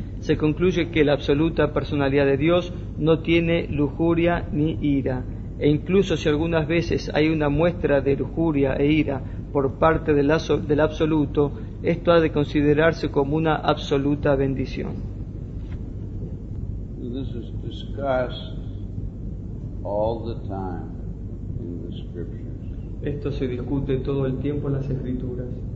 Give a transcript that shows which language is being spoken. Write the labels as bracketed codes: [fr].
[es] se concluye que la absoluta personalidad de Dios no tiene lujuria ni ira, e incluso si algunas veces hay una muestra de lujuria e ira por parte del absoluto, esto ha de considerarse como una absoluta bendición. [en] This is discussed all the time in the scriptures. [es] Esto se discute todo el tiempo en las escrituras.